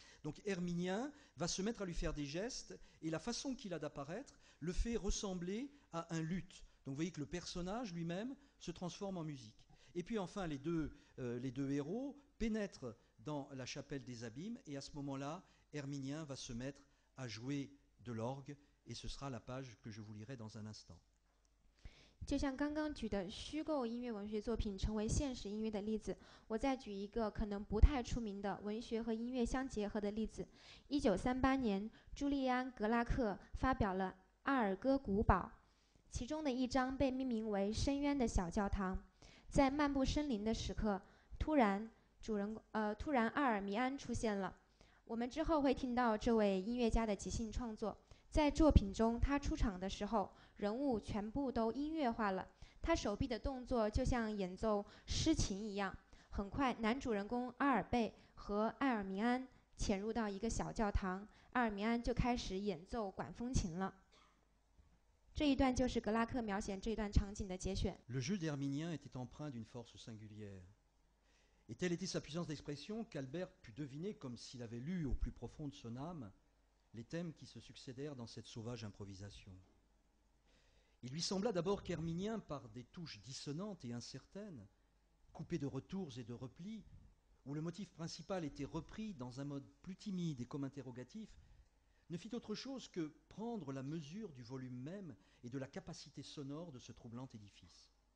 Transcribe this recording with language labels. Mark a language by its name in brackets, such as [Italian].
[French] Donc Herminien va se mettre à lui faire des gestes, et la façon qu'il a d'apparaître le fait ressembler à un luth. Donc vous voyez que le personnage lui-même se transforme en musique. Et puis enfin, les deux héros pénètrent dans la chapelle des abîmes, et à ce moment-là, Herminien va se mettre à jouer de l'orgue, et ce sera la page que je vous lirai dans un instant. [Chinese] 就像刚刚举的虚构音乐文学作品成为现实音乐的例子，我再举一个可能不太出名的文学和音乐相结合的例子。 1938年，朱利安·格拉克发表了《阿尔戈古堡》，其中的一章被命名为《深渊的小教堂》。在漫步森林的时刻，突然阿尔弥安出现了。我们之后会听到这位音乐家的即兴创作。在作品中，他出场的时候，人物全部都音乐化了，他手臂的动作就像演奏诗琴一样。很快，男主人公阿尔贝和艾尔米安潜入到一个小教堂，艾尔米安就开始演奏管风琴了。这一段就是格拉克描写这一段场景的节选。 [French] Le jeu d'Herminien était empreint d'une force singulière, et telle était sa puissance d'expression qu'Albert put deviner, comme s'il avait lu au plus profond de son âme, les thèmes qui se succédèrent dans cette sauvage improvisation. Il lui sembla d'abord qu'Herminien, par des touches dissonantes et incertaines, coupées de retours et de replis, où le motif principal était repris dans un mode plus timide et comme interrogatif, ne fit autre chose que prendre la mesure du volume même et de la capacité sonore de ce troublant édifice.